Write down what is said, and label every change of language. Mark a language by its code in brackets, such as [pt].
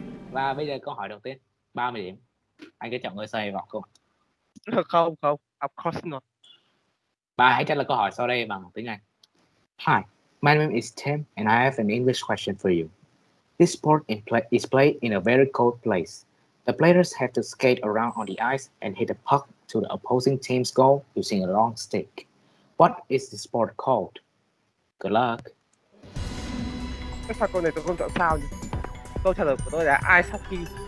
[vi] Và bây giờ câu hỏi đầu tiên, 30 điểm. Anh có chọn ngôi sao hy vọng không? Không, [en] of course not. [vi] Và hãy trả lời câu hỏi sau đây bằng tiếng Anh. [en] Hi, my name is Tim and I have an English question for you. This sport is played in a very cold place. The players have to skate around on the ice and hit a puck to the opposing team's goal using a long stick. What is the sport called? Good luck. [vi] Cái sao con này tôi không chọn sao nhỉ? Câu trả lời của tôi là ice hockey.